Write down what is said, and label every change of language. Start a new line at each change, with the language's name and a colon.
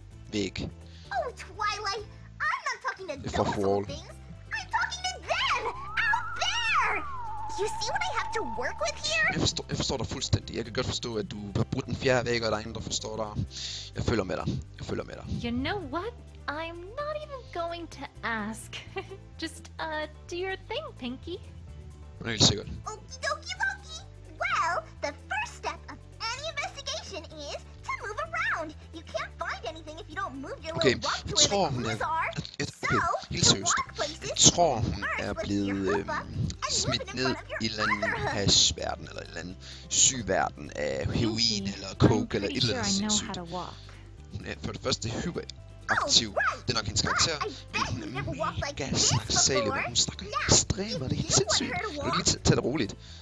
English: Oh, Twilight, I'm not talking to those sort of things. I'm talking to them! Out there! You see what I have to work with here?
Danish: Jeg forstår dig fuldstændig. Jeg kan godt forstå, at du har brudt den fjerde væg, og der er ingen, der forstår dig. Jeg følger med dig.
English: You know what? I'm not even going to ask. Just, do your thing, Pinky.
Danish: Det er helt sikkert.
English: Okie dokie lokie! Well, the first step of any investigation is to move around. You can't find anything if you don't move your okay. little walk to where the clues are.
Danish: Okay, helt seriøst. Jeg tror, hun er blevet smidt ned i en eller anden hash-verden, eller en eller anden syg-verden af heroin, eller coke, eller et eller andet sindssygt. Hun er for det første hyper aktiv. Det er nok hendes karakter. Hun er mega snaksalig, hvor hun snakker ekstremt, og det er helt sindssygt. Du kan lige tage det roligt.